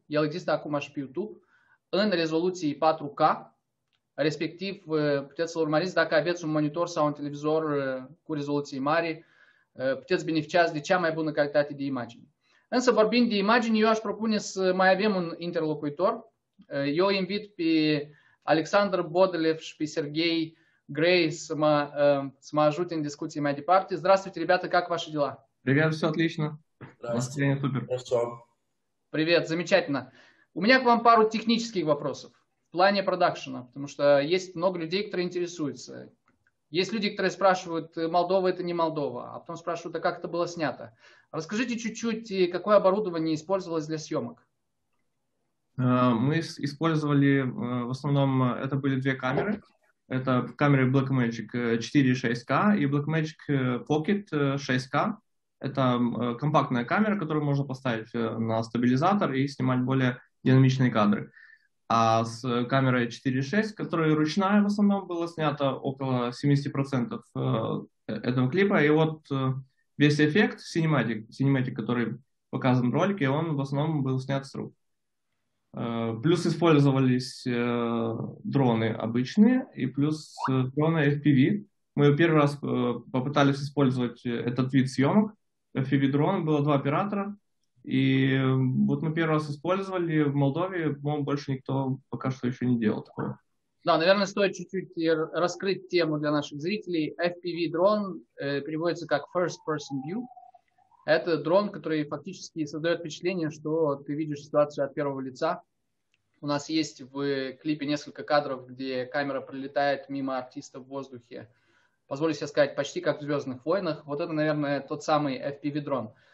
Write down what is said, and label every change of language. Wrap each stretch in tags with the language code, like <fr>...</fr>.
<ro>El există acum și pe YouTube, în rezoluție 4K, respectiv puteți să-l urmăriți dacă aveți un monitor sau un televizor cu rezoluție mare, puteți beneficiați de cea mai bună calitate de imagine. Însă, vorbind de imagini, eu aș propune să mai avem un interlocutor. Eu invit pe Alexandru Bodelev și pe Sergei Грей, с ма ажутен дискуссии моей департии.</ro> <ru>Здравствуйте, ребята, как ваши дела? Привет, все отлично. Здравствуйте. Супер. Привет, замечательно. У меня к вам пару технических вопросов в плане продакшена, потому что есть много людей, которые интересуются. Есть люди, которые спрашивают, Молдова это не Молдова, а потом спрашивают, а как это было снято. Расскажите чуть-чуть, какое оборудование использовалось для съемок? Мы использовали, в основном, это были две камеры. Это камеры Blackmagic 4 6K и Blackmagic Pocket 6K. Это компактная камера, которую можно поставить на стабилизатор и снимать более динамичные кадры. А с камерой 4.6, которая ручная в основном, было снято около 70% этого клипа. И вот весь эффект, cinematic, который показан в ролике, он в основном был снят с рук. Плюс использовались дроны обычные, и плюс дроны FPV. Мы первый раз попытались использовать этот вид съемок, FPV-дрон, было два оператора, и вот мы первый раз использовали в Молдове, по-моему, больше никто пока что еще не делал такое. Да, наверное, стоит чуть-чуть раскрыть тему для наших зрителей. FPV-дрон переводится как First Person View. Это дрон, который фактически создает впечатление, что ты видишь ситуацию от первого лица. У нас есть в клипе несколько кадров, где камера пролетает мимо артиста в воздухе. Позволю себе сказать, почти как в «Звездных войнах». Вот это, наверное, тот самый FPV-дрон.</ru>